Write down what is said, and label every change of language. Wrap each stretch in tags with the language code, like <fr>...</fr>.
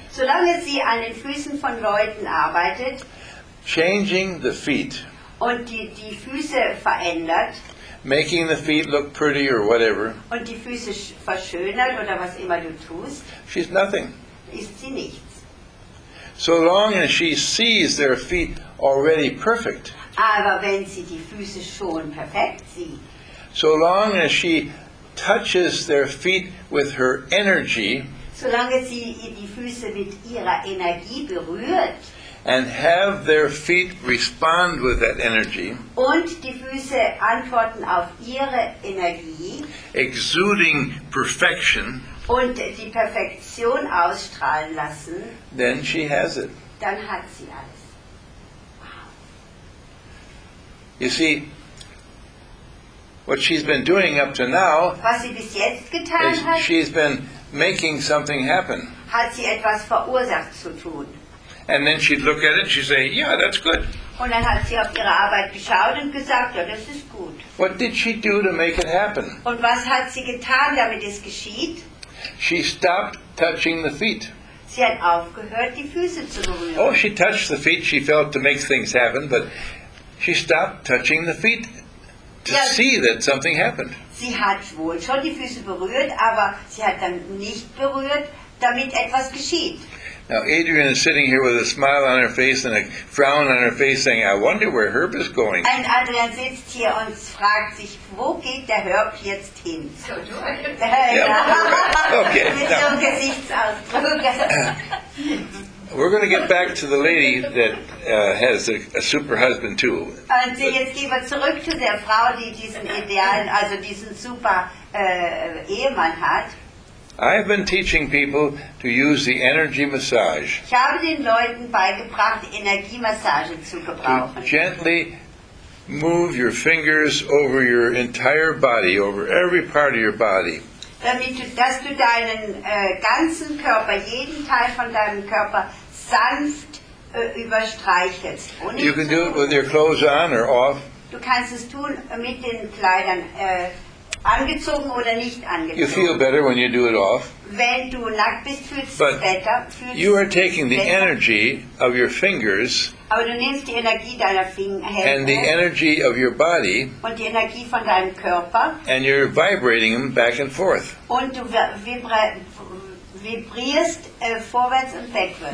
<de>solange sie an den Füßen von Leuten arbeitet,</de> <en>changing the feet,</en> <de>und die Füße verändert,</de> <en>making the feet look pretty or whatever,</en> <de>und die Füße verschönert oder was immer du tust,</de> <en>she's nothing.</en> <de>Ist sie nichts.</de> <en>So long as she sees their feet already perfect,</en> <de>aber wenn sie die Füße schon perfekt sieht.</de> <en>So long as she touches their feet with her energy.</en> <de>Solange sie die Füße mit ihrer Energie berührt.</de> <en>And have their feet respond with that energy.</en> <de>Und die Füße antworten auf ihre Energie.</de> <en>Exuding perfection.</en> <de>Und die Perfektion ausstrahlen lassen.</de> <en>Then she has it.</en> <de>Dann hat sie alles.</de> <en>You see, what she's been doing up to now,</en> <de>was sie bis jetzt getan</de> <en>is</en> <de>hat,</de> <en>she's been making something happen.</en> <de>Hat sie etwas verursacht zu tun.</de> <en>And then she'd look at it and she'd say, yeah, that's good.</en> <de>Und dann hat sie auf ihre Arbeit geschaut und gesagt, ja, das ist gut.</de> <en>What did she do to make it happen?</en> <de>Und was hat sie getan, damit es geschieht?</de> <en>She stopped touching the feet.</en> <de>Sie hat aufgehört, die Füße zu berühren.</de> <en>Oh, she touched the feet, she felt to make things happen, but she stopped touching the feet to ja, see that something happened.</en> <de>Sie hat wohl schon die Füße berührt, aber sie hat dann nicht berührt, damit etwas geschieht.</de> <en>Now Adrian is sitting here with a smile on her face and a frown on her face saying, I wonder where Herb is going.</en> <de>Und Adrian sitzt hier und fragt sich, wo geht der Herb jetzt hin?</de> <en>So do I. Yeah. Okay.</en> <de>Mit so einem Gesichtsausdruck.</de> <en>We're going to get back to the lady that has a super husband too.</en> <de>Und jetzt gehen wir zurück zu der Frau, die diesen idealen, also diesen super Ehemann hat.</de> <en>I've been teaching people to use the energy massage.</en> <de>Ich habe den Leuten beigebracht, Energiemassage zu gebrauchen.</de> <en>Gently move your fingers over your entire body, over every part of your body.</en> <de>Damit du, dass du deinen ganzen Körper, jeden Teil von deinem Körper sanft überstreichelst.</de> <en>You can do it with your clothes on or off.</en> <de>Du kannst es tun mit den Kleidern angezogen oder nicht angezogen.</de> <en>You feel better when you do it off.</en> <de>Wenn du nackt bist, fühlst du dich besser.</de> <en>You are taking the energy of your fingers.</en> <de>Aber du nimmst die Energie deiner Finger.</de> <en>And the energy of your body.</en> <de>Und die Energie von deinem Körper.</de> <en>And you're vibrating them back and forth.</en> <de>Und du vibrierst vorwärts und rückwärts.</de>